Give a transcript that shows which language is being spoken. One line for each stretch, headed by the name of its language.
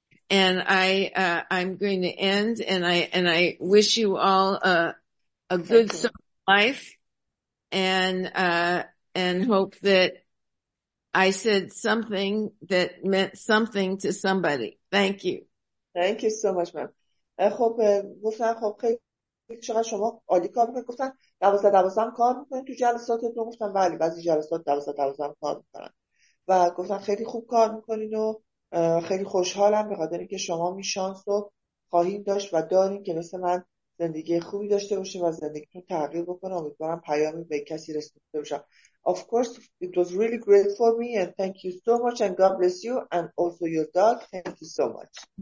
English: And I'm going to end, and I wish you all a good life, and hope that I said something that meant something to somebody. Thank you. Thank you so much, ma'am.
Persian: خب گفتن خب خیلی چقدر شما عالی کار میکنید. گفتن 12 هم کار میکنید تو جلساتتون. گفتن بله بعضی جلسات 12 هم کار میکنن. و گفتن خیلی خوب کار میکنین و خیلی خوشحالم به خاطر اینکه شما می شانس رو خواهید داشت و دارین که مثل من زندگی خوبی داشته باشه و زندگیتون تغییر بکنه. امیدوارم پیامی به کسی رسونده باشم.
English: Of course, it was really great for me and thank you so much and God bless you and also your dog. Thank you so much.